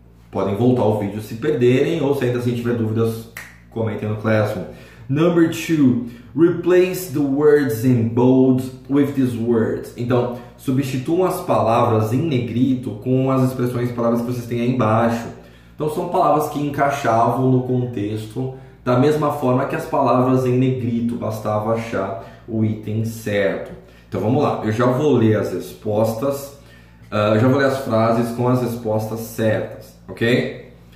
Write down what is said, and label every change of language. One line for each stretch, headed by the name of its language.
Portuguese: Podem voltar ao vídeo se perderem, ou se ainda assim tiver dúvidas, comentem no Classroom.
English: Number 2, replace the words in bold with these words.
Portuguese: Então, substituam as palavras em negrito com as expressões, palavras que vocês têm aí embaixo. Então, são palavras que encaixavam no contexto da mesma forma que as palavras em negrito, bastava achar o item certo. Então, vamos lá. Eu já vou ler as respostas, já vou ler as frases com as respostas certas, ok?